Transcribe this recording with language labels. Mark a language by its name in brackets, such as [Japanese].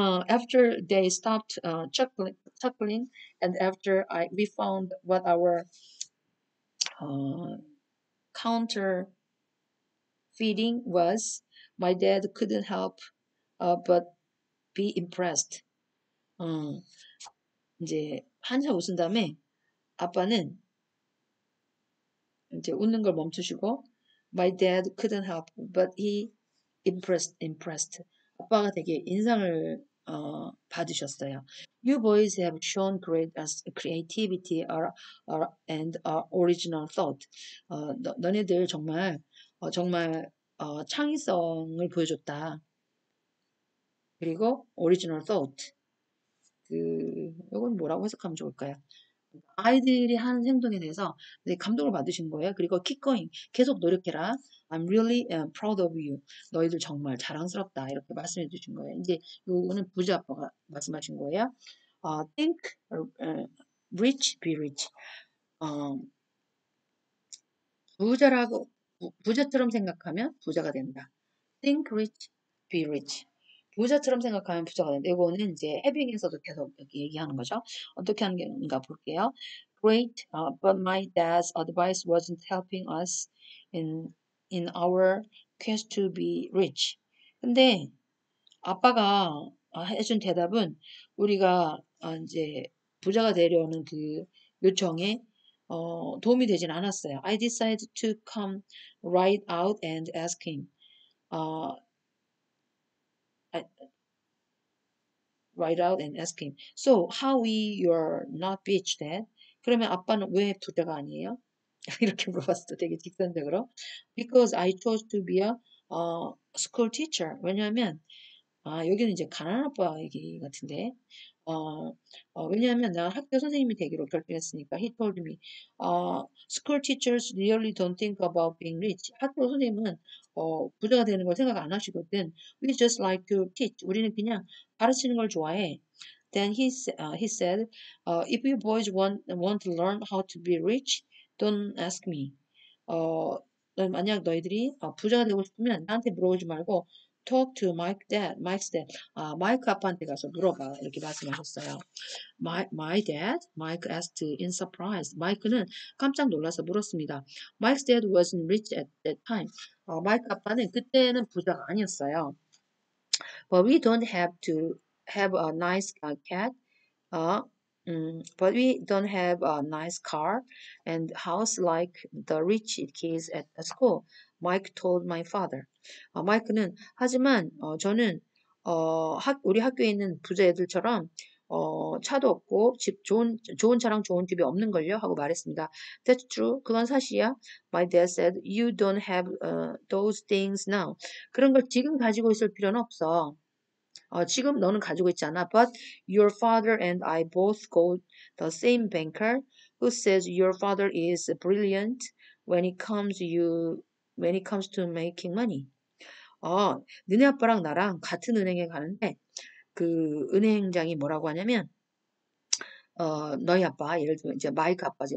[English] After they stopped chuckling, and after we found what our counterfeiting was, my dad couldn't help but be impressed. [Korean] 이제 한참 웃은 다음에 아빠는 이제 웃는 걸 멈추시고. [English] My dad couldn't help, but he impressed. [Korean] 아빠가 되게 인상을 받으셨어요. [English] You boys have shown great creativity and original thought. [Korean] 너네들 정말 정말 창의성을 보여줬다. 그리고 [English] original thought. [Korean] 이건 뭐라고 해석하면 좋을까요? 아이들이 하는 행동에 대해서 감동을 받으신 거예요. [English] 그리고 keep going. [Korean] 계속 노력해라. [English] I'm really proud of you. [Korean] 너희들 정말 자랑스럽다. 이렇게 말씀해 주신 거예요. 이제 요거는 부자 아빠가 말씀하신 거예요. [English] Think rich, be rich. [Korean] 부자라고, 부자처럼 생각하면 부자가 된다. [English] Think rich, be rich. [Korean] 부자처럼 생각하면 부자가 된다. 이거는 이제 해빙에서도 계속 얘기하는 거죠. 어떻게 하는 건가 볼게요. [English] Great, but my dad's advice wasn't helping us in our quest to be rich. [Korean] 근데 아빠가 해준 대답은 우리가 이제 부자가 되려는 그 요청에 도움이 되진 않았어요. [English] I decided to come right out and ask him. Write out and ask him. So, how we you're not rich then? [Korean] 그러면 아빠는 왜 부자가 아니에요? 이렇게 물어봤어도 되게 직선적으로. [English] Because I chose to be a school teacher. [Korean] 왜냐하면 여기는 이제 가난한 아빠 얘기 같은데. 왜냐하면 나 학교 선생님이 되기로 결정했으니까. [English] He told me, school teachers really don't think about being rich. [Korean] 학교 선생님은 부자가 되는 걸 생각 안 하시거든. [English] We just like to teach. [Korean] 우리는 그냥 가르치는 걸 좋아해. [English] Then he said, if you boys want to learn how to be rich, don't ask me. [Korean] 만약 너희들이 부자가 되고 싶으면 나한테 물어보지 말고 [English] talk to Mike's dad. [Korean] 마이크 아빠한테 가서 물어봐. 이렇게 말씀하셨어요. [English] My dad? Mike asked in surprise. [Korean] 마이크는 깜짝 놀라서 물었습니다. [English] Mike's dad wasn't rich at that time. [Korean] 마이크 아빠는 그때는 부자가 아니었어요. [English] But we don't have to have a nice cat. But we don't have a nice car and house like the rich kids at the school. Mike told my father. [Korean] 마이크는 하지만 저는 우리 학교에 있는 부자 애들처럼 차도 없고 집 좋은 차랑 좋은 집이 없는 걸요 하고 말했습니다. [English] That's true. [Korean] 그건 사실이야. [English] My dad said you don't have those things now. [Korean] 그런 걸 지금 가지고 있을 필요는 없어. 지금 너는 가지고 있잖아. [English] But your father and I both go the same banker who says your father is brilliant when it comes to making money. [Korean] 너네 아빠랑 나랑 같은 은행에 가는데 그 은행장이 뭐라고 하냐면 너희 아빠 예를 들면 이제 마이크 아빠지.